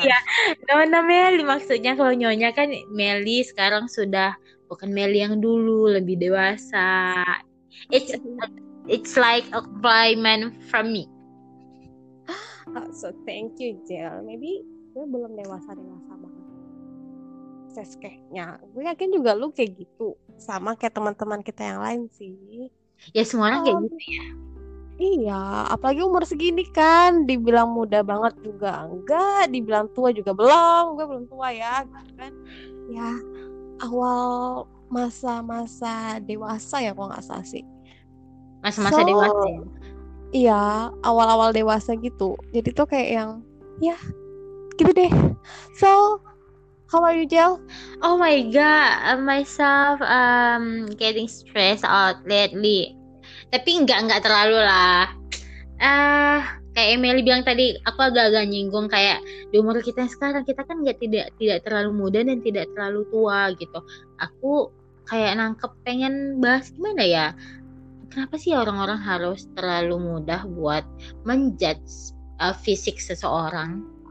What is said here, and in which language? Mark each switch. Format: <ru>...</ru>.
<id>iya, Nona Meli maksudnya kalau Nyonya kan Meli sekarang sudah bukan Meli yang dulu, lebih dewasa.</id> <en>It's like a compliment from me. Oh, so thank you,</en> <id>Jill. Maybe gue belum dewasa-dewasa banget. Ses kayaknya. Gue yakin juga lu kayak gitu. Sama kayak teman-teman kita yang lain sih. Ya semua orang kayak gitu ya. Iya, apalagi umur segini kan, dibilang muda banget juga enggak, dibilang tua juga belum, gue belum tua ya, kan? Ya, awal masa-masa dewasa ya, kalau nggak salah sih. Masa-masa</id> <en>So,</en> <id>dewasa ya. iya, awal-awal dewasa gitu, jadi tuh kayak yang, ya, gitu deh.</id> <en>So, how are you, Jel? Oh my god, myself getting stressed out lately.</en> <id>Tapi nggak terlalu lah. Kayak Emily bilang tadi, aku agak-agak nyinggung kayak di umur kita sekarang kita kan nggak tidak tidak terlalu muda dan tidak terlalu tua gitu. Aku kayak nangkep pengen bahas gimana ya. Kenapa sih orang-orang harus terlalu mudah buat menjudge fisik seseorang?</id>